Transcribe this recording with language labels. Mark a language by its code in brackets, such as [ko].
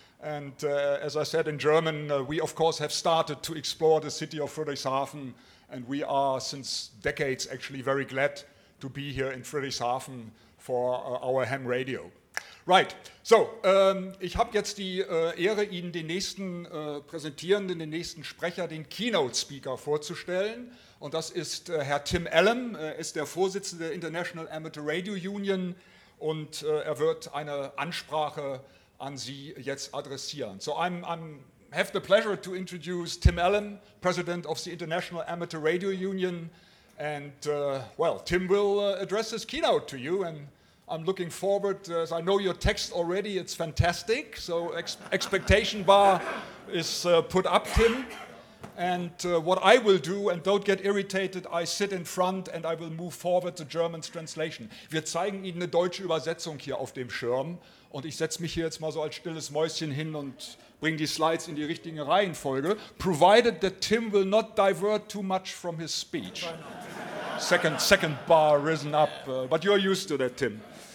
[en] And as I said in German, we of course have started to explore the city of Friedrichshafen. And we are, since decades, actually very glad to be here in Friedrichshafen for our ham radio. Right, so, [de] ich habe jetzt die Ehre, Ihnen den nächsten Präsentierenden, den nächsten Sprecher, den Keynote-Speaker vorzustellen. Und das ist Herr Tim Allen. Er ist der Vorsitzende der International Amateur Radio Union und er wird eine Ansprache an Sie jetzt adressieren. [en] So, I have the pleasure to introduce Tim Allen, President of the International Amateur Radio Union. And, well, Tim will address his keynote to you. And I'm looking forward, as I know your text already, it's fantastic. So expectation bar is put up, Tim. And what I will do, and don't get irritated, I sit in front and I will move forward the German's translation. [de] Wir zeigen Ihnen eine deutsche Übersetzung hier auf dem Schirm. Und ich setze mich hier jetzt mal so als stilles Mäuschen hin und bringe die Slides in die richtige Reihenfolge. [en] Provided that Tim will not divert too much from his speech. Second bar risen up. But you're used to that, Tim.